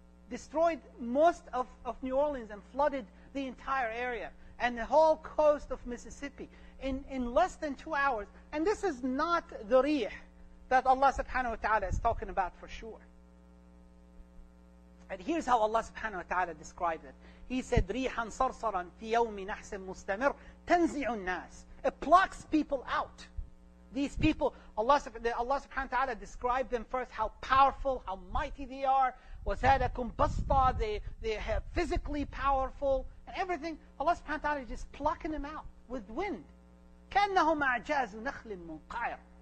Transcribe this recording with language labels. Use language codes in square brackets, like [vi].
[en] Destroyed most of New Orleans and flooded the entire area and the whole coast of Mississippi in less than 2 hours. And this is not the rih that Allah subhanahu wa ta'ala is talking about for sure. And here's how Allah subhanahu wa ta'ala described it. He said, [ar] رِيحًا صَرْصَرًا فِي يَوْمِ نَحْسٍ مُسْتَمِرٍ تَنْزِعُ النَّاسِ. [en] It plucks people out. These people, Allah subhanahu wa ta'ala described them first, how powerful, how mighty they are. [ar] وَسَادَكُمْ بَسْطًا. [en] They are physically powerful. And everything, Allah subhanahu wa ta'ala is just plucking them out with wind. [ar] كَانَّهُمْ أَعْجَازُ نَخْلٍ مُنْقَعِرٍ.